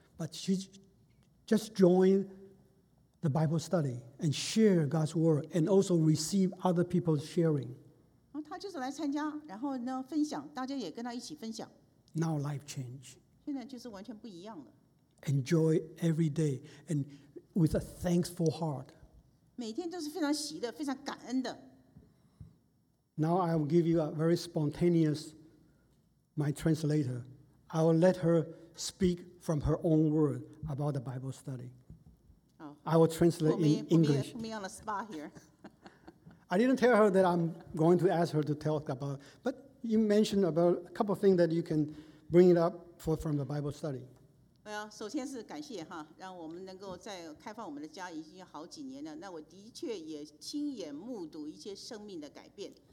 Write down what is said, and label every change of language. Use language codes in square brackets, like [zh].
[en] But she just joined the Bible study and share God's word and also receive other people's sharing. [zh] 他就是来参加,然后呢,分享,大家也跟他一起分享。 [en] Now life change. [zh] 现在就是完全不一样了。 [en] Enjoy every day and with a thankful heart. [zh] 每天都是非常喜的,非常感恩的。 [en] Now I will give you a very spontaneous, my translator. I will let her speak from her own word about the Bible study. I will translate in English. Put me on the spot here. I didn't tell her that I'm going to ask her to talk about, but you mentioned about a couple of things that you can bring it up for from the Bible study. [zh] Well, 首先是感谢哈, 让我们能够在开放我们的家已经好几年了, 那我的确也亲眼目睹一些生命的改变。